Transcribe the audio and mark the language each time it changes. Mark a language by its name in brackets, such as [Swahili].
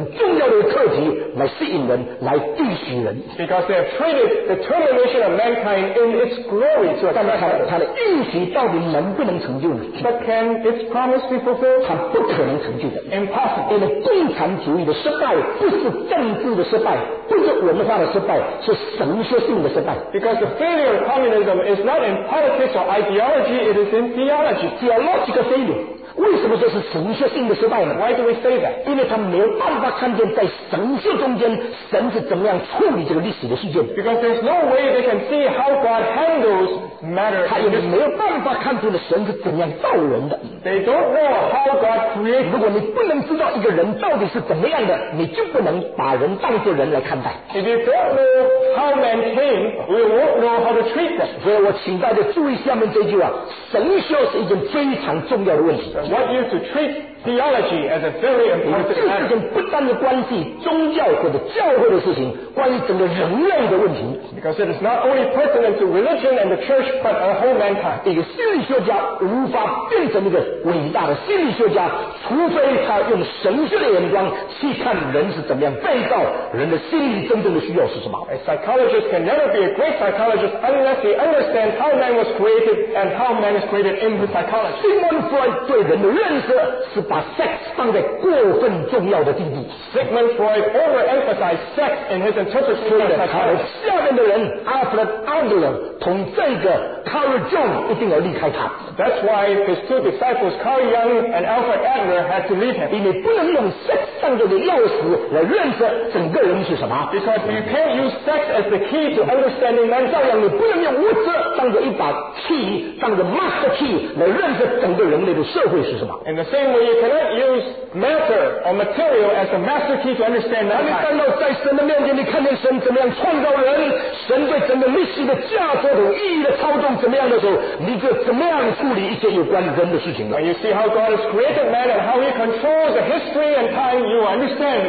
[Chinese] 因为他们试探把这个人类后来要怎么样决胜当着一个很重要的课题来吸引人, 来继续人。 [English] Because they have treated the termination of mankind in its glory to attract. [Chinese] 预期到底能不能成就呢? [English] But can its promise be fulfilled? [Chinese] 它不可能成就的。 [English] Impossible. [Chinese] 因为共产主义的失败不是政治的失败，不是文化的失败，是神学性的失败。 [English] Because the failure of communism is not in politics or ideology, it is in theology. Theological failure. [Chinese] 为什么这是神学性的失败呢? [English] Why do we say that? [Chinese] 因为他没有办法看见在神学中间神是怎么样处理这个历史的事件。 [English] Because there's no way they can see how God handles matters. [Chinese] 他也没有办法看见神是怎么样造人的。 [English] They don't know how God creates. [Chinese] 如果你不能知道一个人到底是怎么样的, 你就不能把人当作人来看待。 [English] If you don't know how man came, we won't know how to treat them. [Chinese] 所以我请大家注意下面这句话, 神学是一件非常重要的问题。 [English] What you to treat theology as a very important matter. Because it is not only pertinent to religion and the church, but a whole mankind. [Chinese] 一个心理学家无法变成一个伟大的心理学家, 除非他用神学的眼光去看人是怎么样被造，人的心理真正的需要是什么。 [English] A psychologist can never be a great psychologist unless he understands how man was created and how man is created in his psychology. [Chinese] Sigmund Freud 对人的认识是把 sex 放在过分重要的地步。 [English] Sigmund Freud overemphasized sex in his interpretation. [Chinese] 他的下面的人 Alfred Adler 同这个 Carl Jung 一定要离开他。 [English] That's why his two disciples Carl Jung and Alfred Adler had to leave him. [Chinese] 你不能用 sex 当作钥匙来认识整个人是什么。 [English] Because you can't use sex as the key to understanding man. [Chinese] 照样你不能用物质当作一把key 当作master key 来认识整个人类的社会是什么。 [English] In the same way, you cannot use matter or material as a master key to understand mankind. When you see how God has created man and how he controls the history and time, you understand.